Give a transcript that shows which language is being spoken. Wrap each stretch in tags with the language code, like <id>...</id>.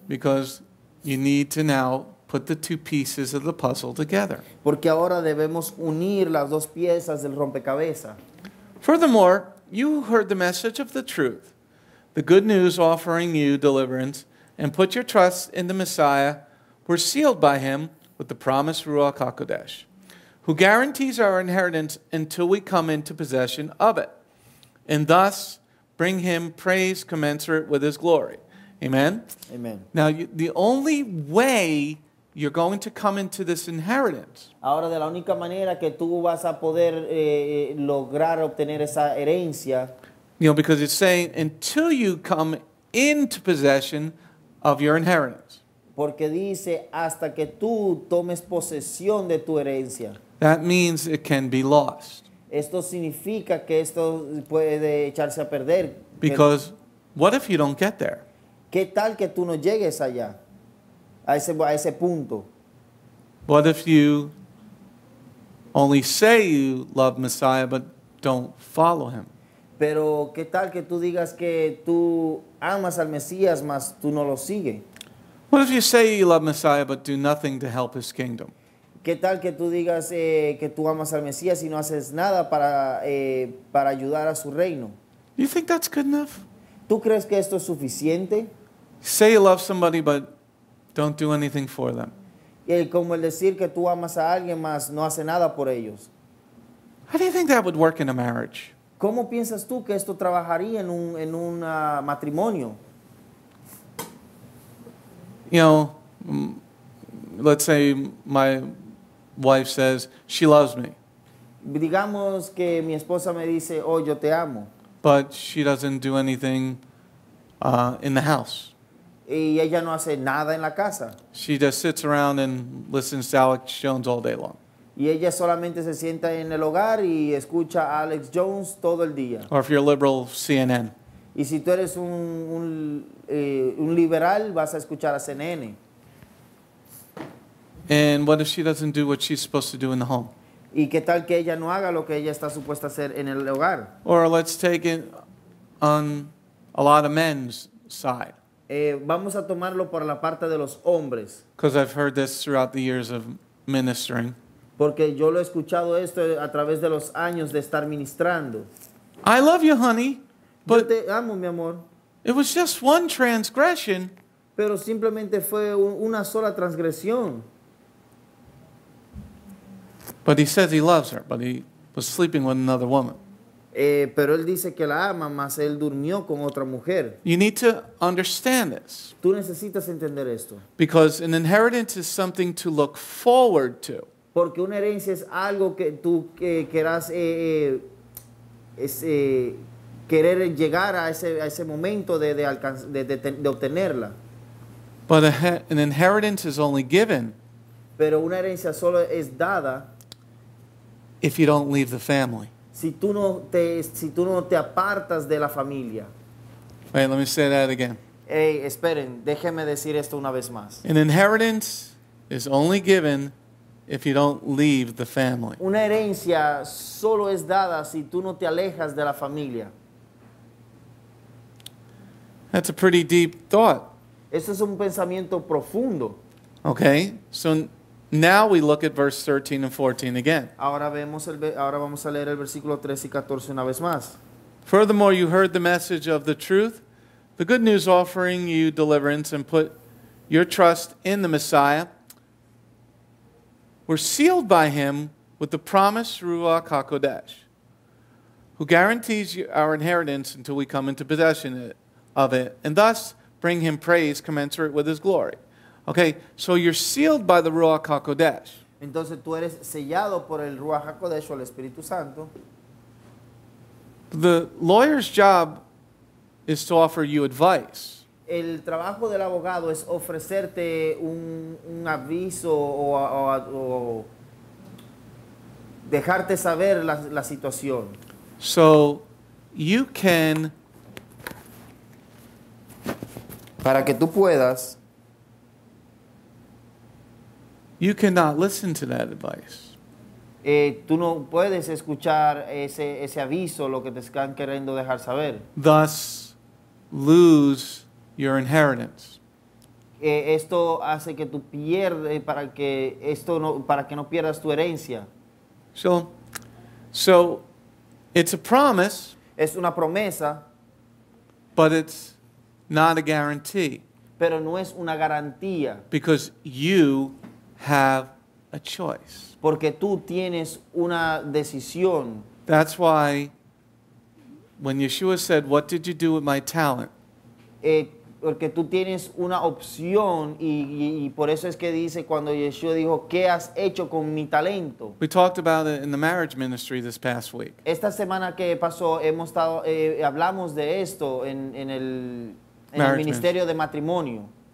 <en>Because you need to now put the two pieces of the puzzle together.</en> <es>Porque ahora debemos unir las dos piezas del rompecabezas.</es> <en>Furthermore, you heard the message of the truth, the good news offering you deliverance, and put your trust in the Messiah, were sealed by him with the promised Ruach HaKodesh, who guarantees our inheritance until we come into possession of it, and thus bring him praise commensurate with his glory. Amen? Amen. Now, the only way you're going to come into this inheritance,</en> <es>ahora, de la única manera que tú vas a poder lograr obtener esa herencia,</es> <en>you know, because it's saying until you come into possession of your inheritance.</en> <es>Porque dice hasta que tú tomes posesión de tu herencia.</es> <en>That means it can be lost.</en> <es>Esto significa que esto puede echarse a perder.</es> <en>Because what if you don't get there?</en> <es>¿Qué tal que tú no llegues allá? A ese punto.</es> <en>What if you only say you love Messiah but don't follow him?</en> <es>Pero qué tal que tú digas que tú amas al Mesías, mas tú no lo sigues.</es> <en>What if you say you love Messiah but do nothing to help his kingdom?</en> <es>Qué tal que tú digas que tú amas al Mesías y no haces nada para ayudar a su reino.</es> <en>You think that's good enough?</en> <es>¿Tú crees que esto es suficiente?</es> <en>Say you love somebody but don't do anything for them.</en> <es>Y como el decir que tú amas a alguien, mas no hace nada por ellos.</es> <en>How do you think that would work in a marriage?</en> <es>¿Cómo piensas tú que esto trabajaría en un matrimonio?</es> <en>You know, let's say my wife says she loves me.</en> <es>Digamos que mi esposa me dice, oh, yo te amo.</es> <en>But she doesn't do anything in the house.</en> <es>Y ella no hace nada en la casa.</es> <en>She just sits around and listens to Alex Jones all day long.</en> <es>Y ella solamente se sienta en el hogar y escucha a Alex Jones todo el día.</es> <en>Or if you're a liberal, CNN.</en> <es>Y si tú eres un liberal, vas a escuchar a CNN.</es> <en>And what if she doesn't do what she's supposed to do in the home?</en> <es>¿Y qué tal que ella no haga lo que ella está supuesta a hacer en el hogar?</es> <en>Or let's take it on a lot of men's side.</en> <es>Vamos a tomarlo por la parte de los hombres.</es> <en>Because I've heard this throughout the years of ministering.</en> <es>Porque yo lo he escuchado esto a través de los años de estar ministrando.</es> <en>I love you, honey. But</en> <es>yo te amo, mi amor.</es> <en>It was just one transgression.</en> <es>Pero simplemente fue una sola transgresión.</es> <en>But he says he loves her, but he was sleeping with another woman.</en> <es>Pero él dice que la ama, mas él durmió con otra mujer.</es> <en>You need to understand this.</en> <es>Tú necesitas entender esto.</es> <en>Because an inheritance is something to look forward to.</en> <es>Porque una herencia es algo que tú querrás querer llegar a ese momento de obtenerla.</es> <en>But an inheritance is only given.</en> <es>Pero una herencia solo es dada.</es> <en>If you don't leave the family.</en> <es>Si tú no te apartas de la familia.</es> <en>Wait, let me say that again.</en> <es>Hey, esperen, déjenme decir esto una vez más.</es> <en>An inheritance is only given if you don't leave the family.</en> <es>Una herencia solo es dada si tú no te alejas de la familia.</es> <en>That's a pretty deep thought.</en> <es>Eso es un pensamiento profundo.</es> <en>Okay, so now we look at verse 13 and 14 again.</en> <es>Ahora vamos a leer el versículo 13 y 14 una vez más.</es> <en>Furthermore, you heard the message of the truth, the good news offering you deliverance, and put your trust in the Messiah. We're sealed by him with the promise Ruach HaKodesh, who guarantees our inheritance until we come into possession of it, and thus bring him praise commensurate with his glory. Okay, so you're sealed by the Ruach HaKodesh.</en> <es>Entonces tú eres sellado por el Ruach HaKodesh o el Espíritu Santo.</es> <en>The lawyer's job is to offer you advice.</en> <es>El trabajo del abogado es ofrecerte un aviso o dejarte saber la situación.</es> <en>So you can,</en> <es>para que tú puedas,</es> <en>you cannot listen to that advice.</en> <es>Tú no puedes escuchar ese aviso, lo que te están queriendo dejar saber.</es> <en>Thus, lose your inheritance.</en> <es>Esto hace que tú pierdes, para que no pierdas tu herencia.</es> <en>So, it's a promise.</en> <es>Es una promesa.</es> <en>But it's not a guarantee.</en> <es>Pero no es una garantía.</es> <en>Because you have a choice.</en> <es>Porque tú tienes una decisión.</es> <en>That's why when Yeshua said, what did you do with my talent?</en> <es>Porque tú tienes una opción y por eso es que dice cuando Yeshua dijo, ¿qué has hecho con mi talento?</es> <en>We talked about it in the marriage ministry this past week.</en> <es>Esta semana que pasó hablamos de esto en el ministerio de matrimonio.</es>